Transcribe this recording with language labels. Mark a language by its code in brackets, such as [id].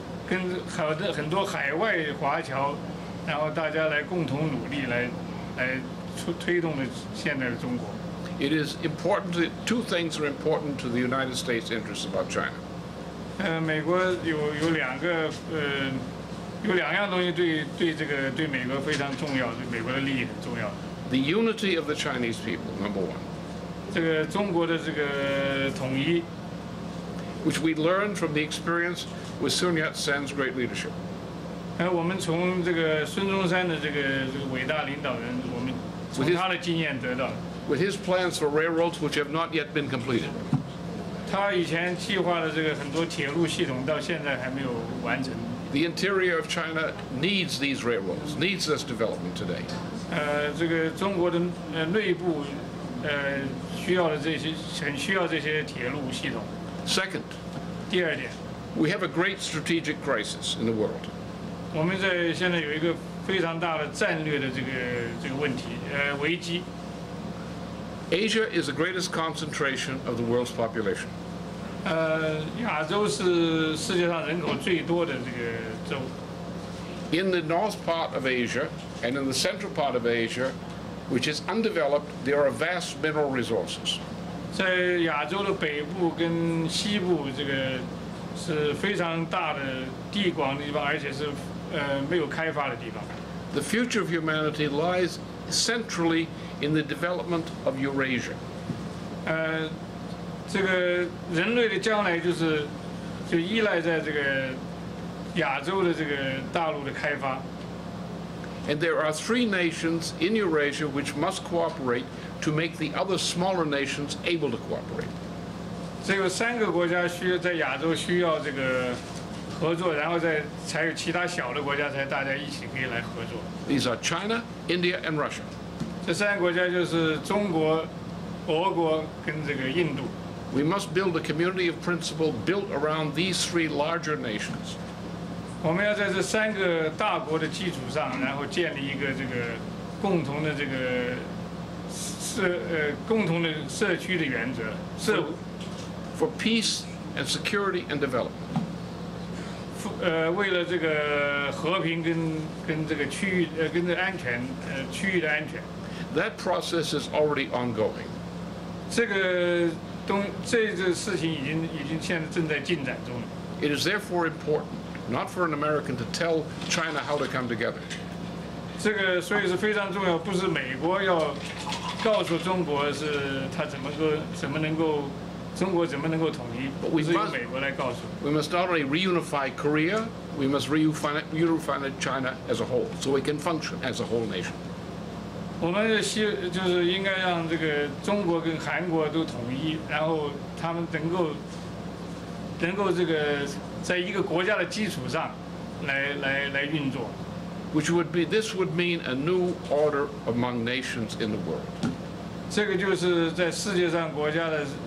[zh] 跟好的很多海外华侨，然后大家来共同努力来推动的现在的中国。 [en] It is important. Two things are important to the United States' interests about China. [zh] 美国有两个有两样东西对美国非常重要，对美国的利益很重要。 [en] The unity of the Chinese people, number one. [zh] 这个中国的这个统一。 [en] which we learned from the experience with Sun Yat-sen's great leadership. [zh] 我们从这个孙中山的这个伟大领导人，我们从他的经验得到。 [en] With his plans for railroads which have not yet been completed. [zh] 他以前计划的这个很多铁路系统到现在还没有完成。 [en] The interior of China needs these railroads, needs this development today. [zh] 这个中国的内部需要的这些很需要这些铁路系统。 [en] Second. [zh] 第二点。 [en] We have a great strategic crisis in the world. [zh] 我们在现在有一个非常大的战略的这个问题，危机。 [en] Asia is the greatest concentration of the world's population. [zh] 亚洲是世界上人口最多的这个州。 [en] In the north part of Asia and in the central part of Asia, which is undeveloped, there are vast mineral resources. [zh] 在亚洲的北部跟西部，这个是非常大的地广的地方，而且是。没有开发的地方。 [en] The future of humanity lies centrally in the development of Eurasia. [zh] 这个人类的将来就依赖在这个亚洲的这个大陆的开发。 [en] And there are three nations in Eurasia which must cooperate to make the other smaller nations able to cooperate. [zh] 这个三个国家需要在亚洲需要这个。合作，然后再才有其他小的国家才大家一起可以来合作。 [en] These are China, India, and Russia. [zh] 这三个国家就是中国、俄国跟这个印度。 [en] We must build a community of principle built around these three larger nations. [zh] 我们要在这三个大国的基础上，然后建立一个这个共同的这个共同的社区的原则。 [en] For peace and security and development. [zh] 为了这个和平跟这个区域跟这安全区域的安全。 [en] That process is already ongoing. [zh] 这个事情已经现在正在进展中了。 [en] It is therefore important not for an American to tell China how to come together. [zh] 这个所以是非常重要，不是美国要告诉中国是他怎么能够。中国怎么能够统一？不是由美国来告诉。 [en] We must not only reunify Korea, we must reunify China as a whole, so we can function as a whole nation. [zh] 我们就是应该让这个中国跟韩国都统一，然后他们能够这个在一个国家的基础上来运作。 [en] Which would be this would mean a new order among nations in the world. [zh] 这个就是在世界上国家的。